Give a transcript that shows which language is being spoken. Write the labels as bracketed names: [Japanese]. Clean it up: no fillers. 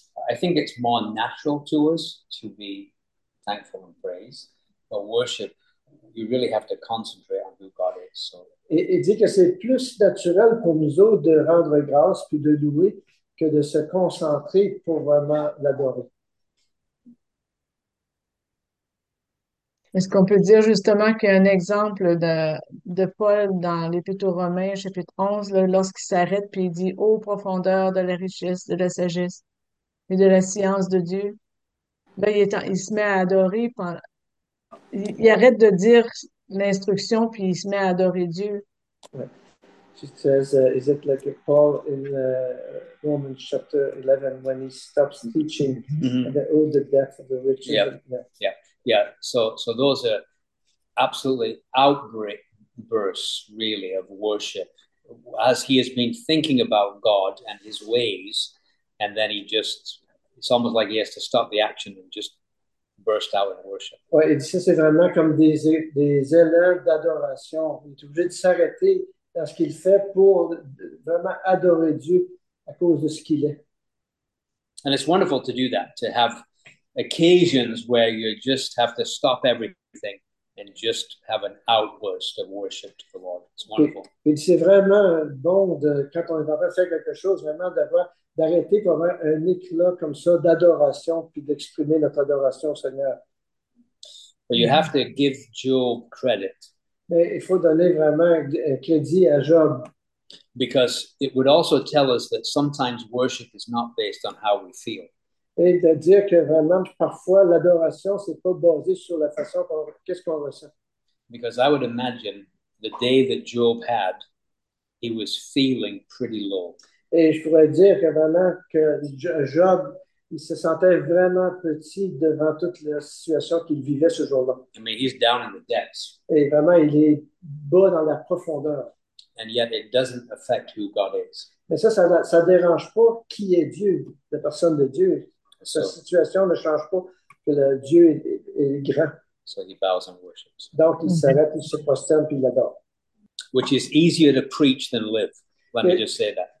[English] I think it's more natural to us to be thankful and praise, but worship, you really have to concentrate on who God is. So. [French] Il dit que c'est plus naturel pour nous autres de rendre grâce puis de louer que de se concentrer pour vraiment l'adorer. Est-ce qu'on peut dire justement qu'un exemple de Paul dans l'Épître aux Romains, chapitre 11, lorsqu'il s'arrête puis il dit, ô profondeur de la richesse, de la sagesse et de la science de Dieu, ben, il se met à adorer. Il arrête de dire l'instruction puis il se met à adorer Dieu. [English] She says, is it like Paul in Romans chapter 11 when he stops teaching and all the depth of the riches of So those are absolutely outbreak bursts, really, of worship as he has been thinking about God and his ways, and then he just, it's almost like he has to stop the action and just burst out in worship. [French] Ouais, et ça, c'est vraiment comme des élans d'adoration. Il est obligé de s'arrêter dans ce qu'il fait pour vraiment adorer Dieu à cause de ce qu'il est. [English] And it's wonderful to do that, to have occasions where you just have to stop everything and just have an outburst of worship to the Lord. It's [French] Et [English] wonderful. [French] c'est vraiment bon de quand on est en train de faire quelque chose, vraiment d'avoir d'arrêter pour avoir un éclat comme ça d'adoration, puis d'exprimer notre adoration au Seigneur. [English] You have to give Job credit. [French] Mais il faut donner vraiment crédit à Job. [English] Because it would also tell us that sometimes worship is not based on how we feel. [French] Et de dire que vraiment, parfois, l'adoration, ce n'est pas basé sur la façon qu'est-ce qu'on ressent. [English] Because I would imagine the day that Job had, he was feeling pretty low. [French] Et je pourrais dire que vraiment, que Job, il se sentait vraiment petit devant toute la situation qu'il vivait ce jour-là. [English] I mean, he's down in the depths. [French] Et vraiment, il est bas dans la profondeur. [English] And yet it doesn't affect who God is. [French] Mais ça dérange pas qui est Dieu, la personne de Dieu. Sa [English] So [French] situation ne change pas que le Dieu est grand. [English] he bows and worships. [French] Donc, il s'arrête, il se prosterne, puis il adore. [English] Which is easier to preach than live. Let me just say that.